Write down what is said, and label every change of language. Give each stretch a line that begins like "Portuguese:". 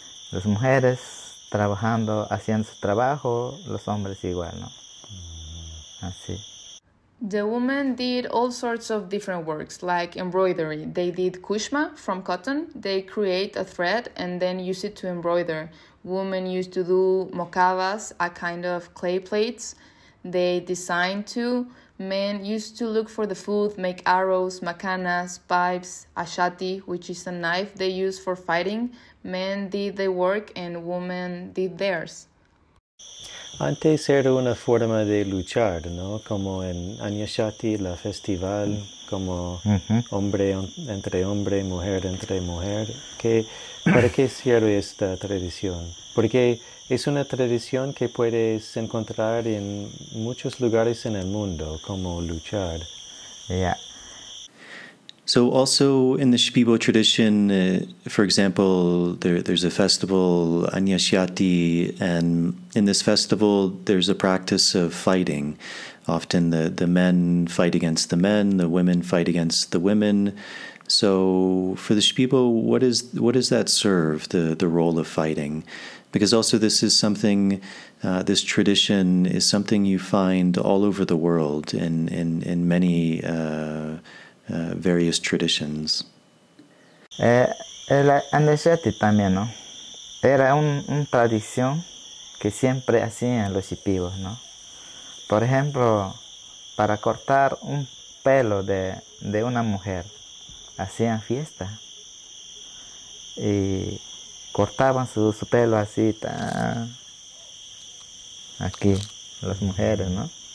Spanish: Las mujeres trabajando, haciendo su trabajo, los hombres igual, ¿no? Así.
English: The women did all sorts of different works, like embroidery. They did kushma from cotton. They create a thread and then use it to embroider. Women used to do mocavas, a kind of clay plates. They designed too. Men used to look for the food, make arrows, macanas, pipes, ashati, which is a knife they use for fighting. Men did the work and women did theirs.
Spanish: Antes era una forma de luchar, ¿no? Como en Anyashati, la festival, como hombre entre hombre, mujer entre mujer. ¿Qué, para qué sirve esta tradición? Porque es una tradición que puedes encontrar en muchos lugares en el mundo, como luchar.
English: Yeah. So also in the Shipibo tradition, for example, there's a festival, Anyashati, and in this festival, there's a practice of fighting. Often the men fight against the men, the women fight against the women. So for the Shipibo, what does that serve, the role of fighting? Because also this is something, this tradition is something you find all over the world in many various traditions.
Spanish: El Anyashati también, ¿no? Era un tradición que siempre hacían los Shipibos, ¿no? Por ejemplo, para cortar un pelo de una mujer, hacían fiesta. Y cortaban su pelo así, aquí, las mujeres, ¿no?